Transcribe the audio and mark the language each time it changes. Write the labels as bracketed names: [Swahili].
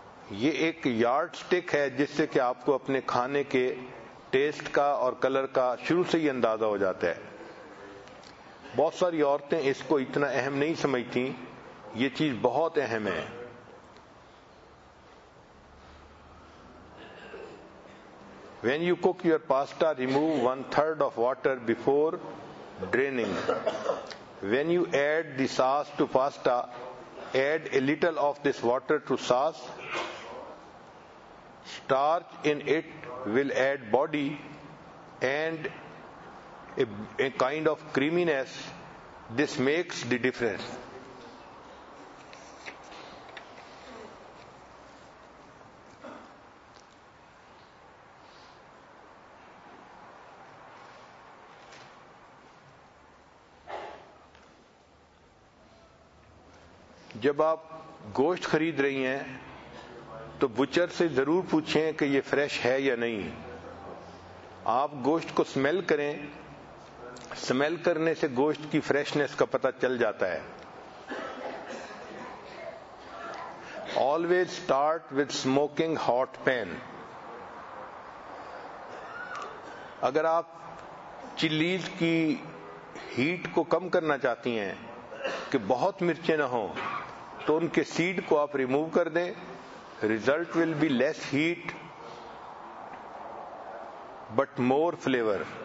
[Urdu] یہ ایک yard stick ہے جس سے کہ آپ کو اپنے کھانے کے ٹیسٹ کا اور کلر کا شروع سے ہی اندازہ ہو جاتا ہے. بہت ساری عورتیں اس کو اتنا اہم نہیں سمجھتی, یہ چیز بہت اہم ہے. [English] When you cook your pasta, remove 1/3 of water before draining. When you add the sauce to pasta, add a little of this water to sauce. Starch in it will add body and a kind of creaminess. This makes the difference. [Urdu] جب آپ گوشت خرید رہی ہیں تو butcher سے ضرور پوچھیں کہ یہ فریش ہے یا نہیں. آپ گوشت کو سمیل کریں, سمیل کرنے سے گوشت کی فریشنس کا پتہ چل جاتا ہے. [English] Always start with smoking hot pan. [Urdu] اگر آپ چلیز کی ہیٹ کو کم کرنا چاہتی ہیں کہ بہت مرچیں نہ ہوں تو ان کے سیڈ کو آپ ریموو کر دیں. [English] Result will be less heat but more flavor.